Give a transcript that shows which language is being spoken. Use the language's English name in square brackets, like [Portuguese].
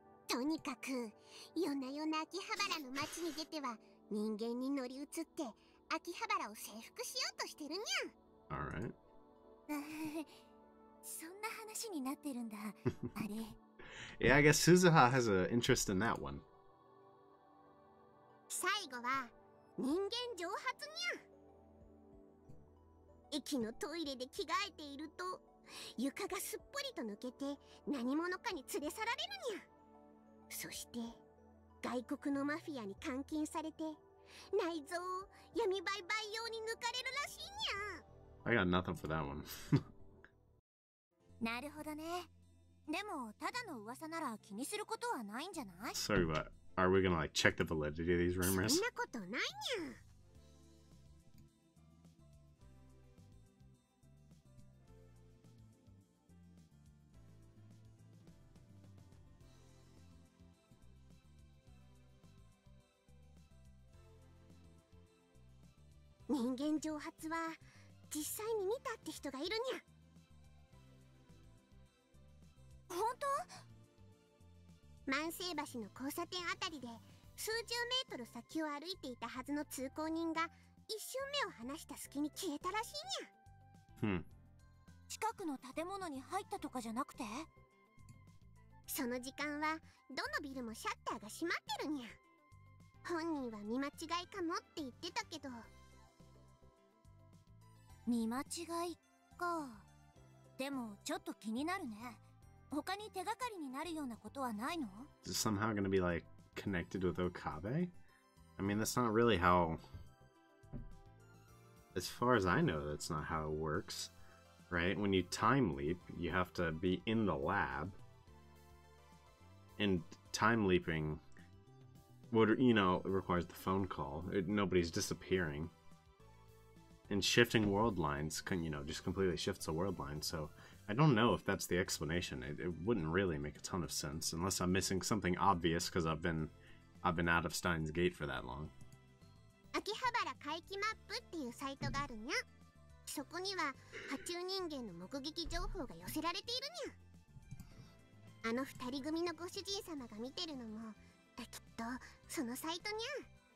[Japanese] とにかく、夜な夜な秋葉原の街に出ては、人間に乗り移って、秋葉原を征服しようとしてるにゃ。 [English] Alright. [Japanese] そんな話になってるんだ、あれ。 [English] Yeah, I guess Suzuha has an interest in that one. [Japanese] 最後は、人間蒸発にゃ。駅のトイレで着替えていると、床がすっぽりと抜けて、何者かに連れ去られるにゃ。そして外国のマフィアに監禁されて内臓を闇売買用に抜かれるらしいにゃ。 [English] I got nothing for that one. [Japanese] なるほどね。でもただの噂なら気にすることはないんじゃない？ [English] Sorry, but are we gonna like check the validity of these rumors? [Japanese] そんなことないにゃ。人間蒸発は実際に見たって人がいるにゃ。本当？万世橋の交差点あたりで数十メートル先を歩いていたはずの通行人が一瞬目を離した隙に消えたらしいにゃ。うん。近くの建物に入ったとかじゃなくて？その時間はどのビルもシャッターが閉まってるにゃ。本人は見間違いかもって言ってたけど。見間違いか。でもちょっと気になるね。他に手がかりになるようなことはないの？ [English] Is this somehow gonna be like connected with Okabe? I mean, that's not really how... As far as I know, that's not how it works. Right? When you time leap, you have to be in the lab. And time leaping... would, you know, it requires the phone call. Nobody's disappearing. And shifting world lines can, you know, just completely shifts the world line, so... I don't know if that's the explanation. It wouldn't really make a ton of sense unless I'm missing something obvious because I've been out of Steins Gate for that long. [Japanese] 秋葉原怪奇マップっていうサイトがあるにゃ。そこには爬虫人間の目撃情報が寄せられているにゃ。あの二人組のご主人様が見てるのもだきっとそのサイトにゃ。